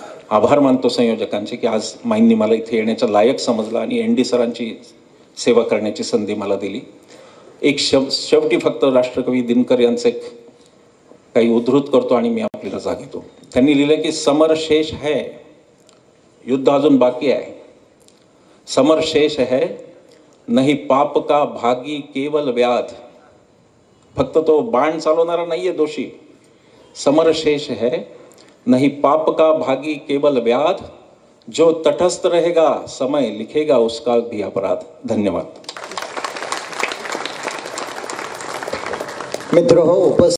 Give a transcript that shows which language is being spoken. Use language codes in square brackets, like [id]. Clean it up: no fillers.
[mr] आभार मानतो संयोजकांचे की आज माईंनी मला इथे येण्याचा लायक समजला आणि एन डी सरांची सेवा करण्याची संधी मला दिली. एक शेवटी फक्त राष्ट्रकवी दिनकर यांचं एक काही उद्धृत करतो आणि मी आपली रजा घेतो. त्यांनी लिहिलं की [hi] समर शेष है, [mr] युद्ध अजून बाकी आहे. [hi] समर शेष है नहीं पाप का भागी केवल व्याध. [mr] फक्त तो बाण चालवणारा नाही आहे दोषी. [hi] समर शेष है नहीं पाप का भागी केवल व्याध, जो तटस्थ रहेगा समय लिखेगा उसका भी अपराध. [mr] धन्यवाद. मित्र हो उपस्थित.